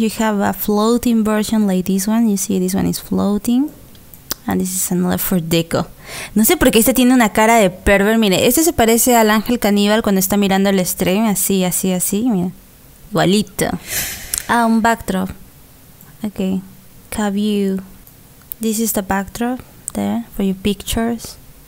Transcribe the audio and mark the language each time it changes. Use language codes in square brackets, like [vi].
[en] You have a floating version like this one. You see this one is floating. And this is another for deco. [es] No sé por qué este tiene una cara de perver. Mire, este se parece al ángel caníbal cuando está mirando el stream. Así, así, así. Mira. Igualito. Ah, un backdrop. [en] Okay. Have you... This is the backdrop there for your pictures.